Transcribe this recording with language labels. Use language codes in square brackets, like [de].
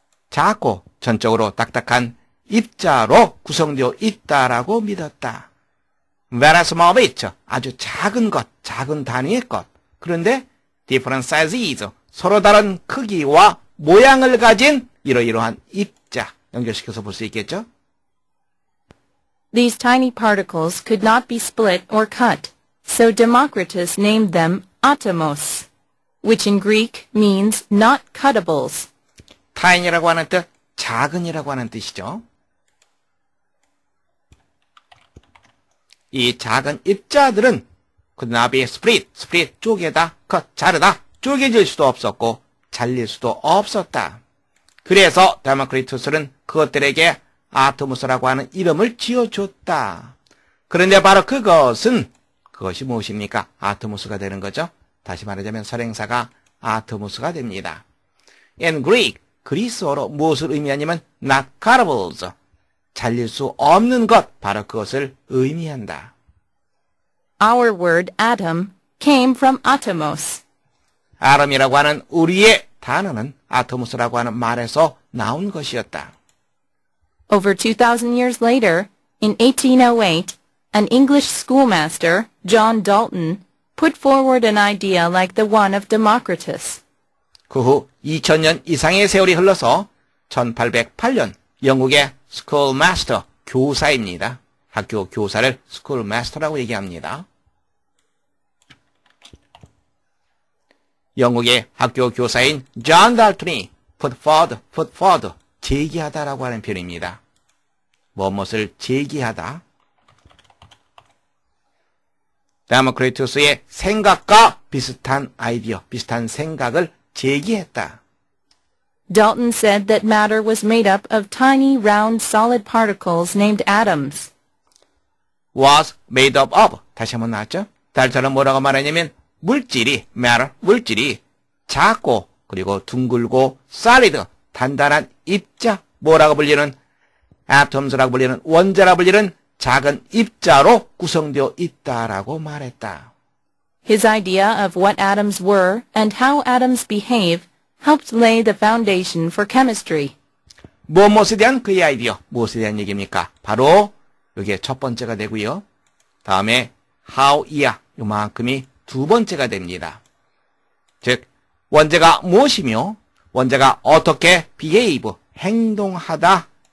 [ko] 작고, 전적으로 딱딱한 입자로 구성되어 있다라고 믿었다. [en] Very small bit, [ko] 아주 작은 것, 작은 단위의 것. 그런데 [en] different sizes, [ko] 서로 다른 크기와 모양을 가진 이러이러한 입자, 연결시켜서 볼 수 있겠죠? [en] These tiny particles could not be split or cut, so Democritus named them atomos, which in Greek means not cuttables. [ko] tiny라고 하는 뜻, 작은이라고 하는 뜻이죠. 이 작은 입자들은 [en] could not be split, [ko] split, 쪼개다, cut, 자르다, 쪼개질 수도 없었고 잘릴 수도 없었다. 그래서 데모크리투스는 그것들에게 아토무스라고 하는 이름을 지어줬다. 그런데 바로 그것은, 그것이 무엇입니까? 아토무스가 되는 거죠. 다시 말하자면 설행사가 아토무스가 됩니다. [en] In Greek, [ko] 그리스어로 무엇을 의미하냐면 [en] not cuttables, [ko] 잘릴 수 없는 것, 바로 그것을 의미한다. [en] Our word atom came from atomos. [ko] 아톰이라고 하는 우리의 단어는 아토모스라고 하는 말에서 나온 것이었다. [en] Over 2,000 years later, in 1808, an English schoolmaster, John Dalton, put forward an idea like the one of Democritus. [ko] 그 후 2,000년 이상의 세월이 흘러서 1808년 영국의 schoolmaster, 교사입니다. 학교 교사를 schoolmaster라고 얘기합니다. 영국의 학교 교사인 존 달튼이 [en] put forward, [ko] 제기하다 라고 하는 표현입니다. 무엇을 제기하다? 데모크리투스의 생각과 비슷한 아이디어, 비슷한 생각을 제기했다. [en] Dalton said that matter was made up of tiny round solid particles named atoms. Was made up of, [ko] 다시 한번 나왔죠? 달튼은 뭐라고 말하냐면 물질이, matter, 물질이 작고 그리고 둥글고 solid, 단단한 입자, 뭐라고 불리는 atoms라고 불리는 원자라고 불리는 작은 입자로 구성되어 있다라고 말했다. [en] His idea of what atoms were and how atoms behave helped lay the foundation for chemistry. [ko] 무엇에 대한 그의 아이디어, 무엇에 대한 얘기입니까? 바로 이게 첫 번째가 되고요. 다음에 how이야, 이만큼이 두 번째가 됩니다. 즉, 원자가 무엇이며 원자가 어떻게 behave, 행동하다.